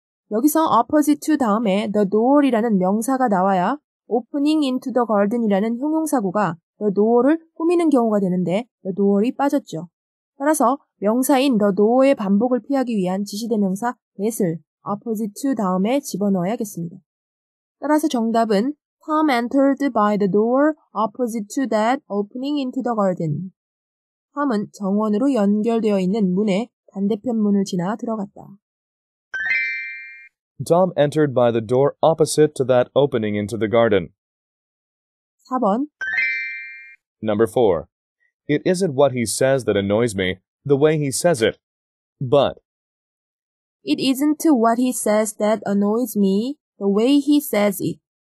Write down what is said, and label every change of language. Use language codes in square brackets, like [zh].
[ko] 여기서 opposite to 다음에 the door이라는 명사가 나와야 [en] opening into the garden [ko] 이라는 형용사구가 the door을 꾸미는 경우가 되는데 the door이 빠졌죠. 따라서 명사인 the door의 반복을 피하기 위한 지시대명사 that을 opposite to 다음에 집어넣어야겠습니다. 따라서 정답은 [en] Tom entered by the door opposite to that opening into the garden. [ko] Tom은 정원으로 연결되어 있는 문의 반대편 문을 지나 들어갔다. [en] Tom entered by the door opposite to that opening into the garden. [ko] 4번 [en] Number 4. It isn't what he says that annoys me, the way he says it, but It isn't what he says that annoys me, the way he says it.